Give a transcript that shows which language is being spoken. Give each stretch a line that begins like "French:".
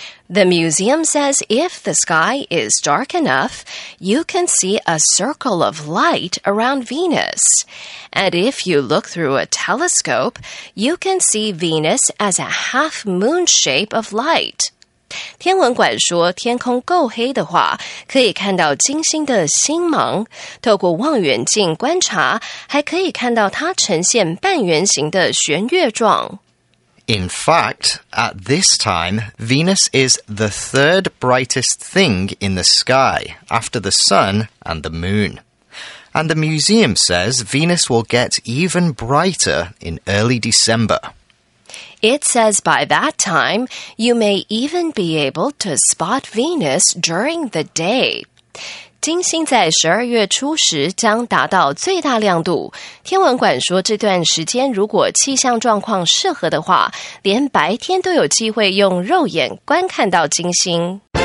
English: The museum says if the sky is dark enough, you can see a circle of light around Venus. And if you look through a telescope, you can see Venus as a half-moon shape of light.
Chinese: 天文馆说天空够黑的话可以看到金星的星芒透过望远镜观察还可以看到它呈现半圆形的弦月状
English: In fact, at this time, Venus is the third brightest thing in the sky after the sun and the moon And the museum says Venus will get even brighter in early December It says by that time, you may even be able to spot Venus during the day.
Chinese: 金星在12月初时将达到最大亮度。天文馆说这段时间如果气象状况适合的话，连白天都有机会用肉眼观看到金星。